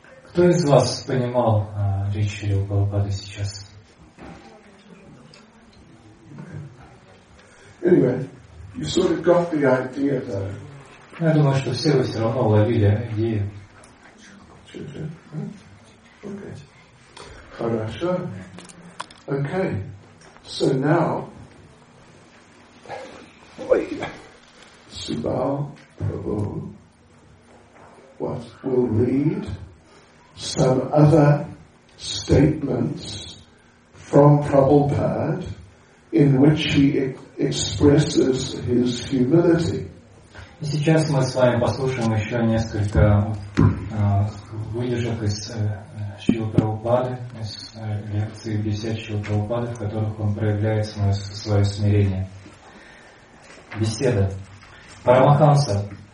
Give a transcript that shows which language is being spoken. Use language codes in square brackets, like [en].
[ru] Кто из вас понимал речь Шрилы Прабхупады сейчас? [en] Anyway, you sort of got the idea, though. [ru] Я думаю, что все вы все равно уловили идею. [en] Okay. [ru] Хорошо. [en] Okay. So now, Subal Prabhu. What will read some other statements from Prabhupada in which he expresses his humility. [ru] И сейчас мы с вами послушаем еще несколько выдержек из Шрилы Прабхупады, из лекции бесед Шрилы Прабхупады, в которых он проявляет свое смирение. Беседа. Парамаханса.